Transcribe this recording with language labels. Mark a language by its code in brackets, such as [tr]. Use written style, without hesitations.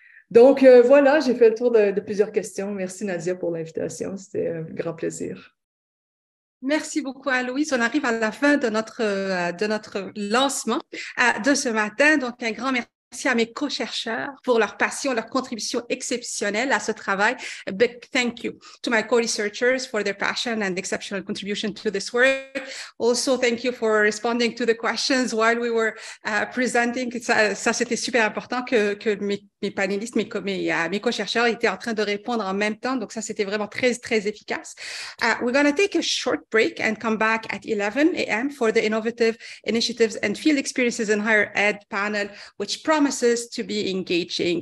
[fr] Donc, voilà, j'ai fait le tour de plusieurs questions. Merci, Nadia, pour l'invitation. C'était un grand plaisir. Merci beaucoup, Aloïse. On arrive à la fin de notre lancement de ce matin. Donc, un grand merci. Merci à mes co-chercheurs pour leur passion, leur contribution exceptionnelle à ce travail. [en] A big thank you to my co-researchers for their passion and exceptional contribution to this work. Also, thank you for responding to the questions while we were presenting. [fr] Ça, c'était super important que mes panélistes, mes co-chercheurs étaient en train de répondre en même temps. Donc, ça, c'était vraiment très, très efficace. [en] We're going to take a short break and come back at 11 a.m. for the Innovative Initiatives and Field Experiences in Higher Ed panel, which promises to be engaging.